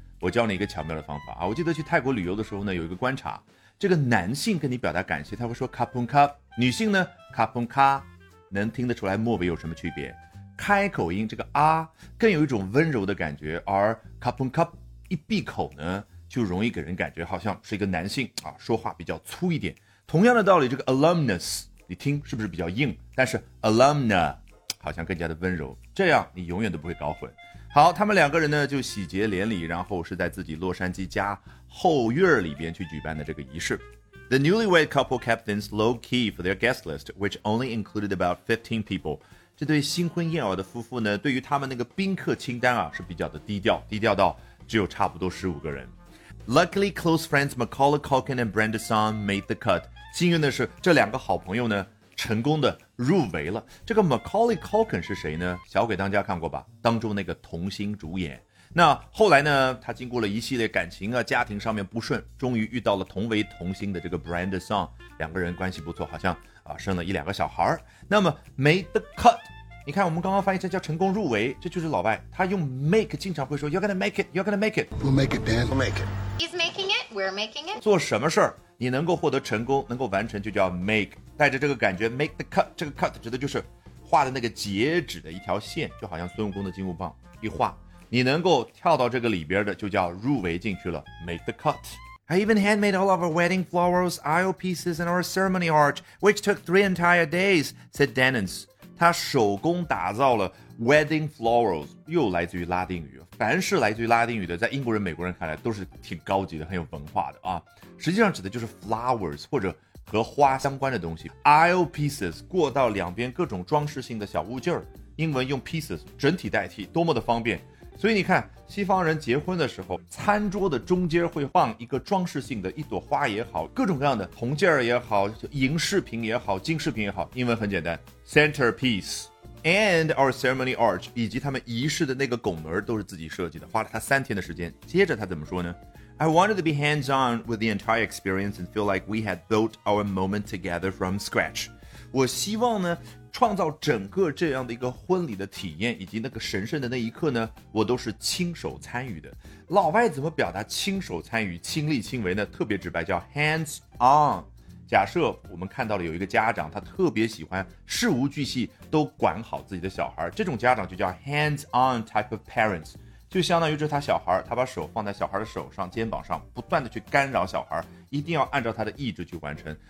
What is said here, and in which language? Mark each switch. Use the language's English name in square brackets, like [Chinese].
[Chinese] 我教你一个巧妙的方法啊！我记得去泰国旅游的时候呢，有一个观察，这个男性跟你表达感谢他会说 kapunka, 女性呢 kapunka, 能听得出来末尾有什么区别，开口音这个啊更有一种温柔的感觉，而 kapunka 一闭口呢就容易给人感觉好像是一个男性啊，说话比较粗一点。同样的道理，这个 alumnus 你听是不是比较硬，但是 alumna 好像更加的温柔，这样你永远都不会搞混。好，他们两个人呢就喜结连理，然后是在自己洛杉矶家后院里边去举办的这个仪式。 [English] The newlywed couple kept things low-key for their guest list, which only included about 15 people. [Chinese] 这对新婚燕尔的夫妇呢，对于他们那个宾客清单啊，是比较的低调，低调到只有差不多15个人。 [English] Luckily, close friends Macaulay Culkin and Brenda Song made the cut. [Chinese] 幸运的是，这两个好朋友呢，成功的入围了。这个 Macaulay Culkin 是谁呢？小鬼当家看过吧？当中那个童星主演。那后来呢，他经过了一系列感情啊家庭上面不顺，终于遇到了同为童星的这个 Brenda Song, 两个人关系不错，好像啊生了一两个小孩。那么 made the cut, 你看我们刚刚翻译成叫成功入围，这就是老外他用 make 经常会说 [English] you're gonna make it, [Chinese] you're gonna make it, [English] we'll make it, Dan, we'll make it, he's making it, we're making it, [Chinese] 做什么事儿你能够获得成功，能够完成就叫 make, 带着这个感觉 make the cut, 这个 cut 指的就是画的那个截止的一条线，就好像孙悟空的金箍棒一画，你能够跳到这个里边的就叫入围进去了， make the cut. [English] I even handmade all of our wedding flowers, aisle pieces and our ceremony arch, which took 3 entire days, said Dennings. [Chinese] 他手工打造了 wedding flowers, 又来自于拉丁语，凡是来自于拉丁语的在英国人美国人看来都是挺高级的，很有文化的啊。实际上指的就是 flowers 或者和花相关的东西， aisle pieces 过道两边各种装饰性的小物件，英文用 pieces 整体代替，多么的方便。所以你看西方人结婚的时候餐桌的中间会放一个装饰性的一朵花也好，各种各样的红件也好，银饰品也好，金饰品也好，英文很简单， [English] centerpiece and our ceremony arch, [Chinese] 以及他们仪式的那个拱门都是自己设计的，花了他3天的时间。接着他怎么说呢？ [English] I wanted to be hands on with the entire experience and feel like we had built our moment together from scratch. [Chinese] 我希望呢创造整个这样的一个婚礼的体验，以及那个神圣的那一刻呢，我都是亲手参与的。老外怎么表达亲手参与、亲力亲为呢？特别直白，叫 hands on。假设我们看到了有一个家长，他特别喜欢事无巨细都管好自己的小孩，这种家长就叫 [English] hands on type of parents, [Chinese] 就相当于这他小孩，他把手放在小孩的手上、肩膀上，不断的去干扰小孩，一定要按照他的意志去完成。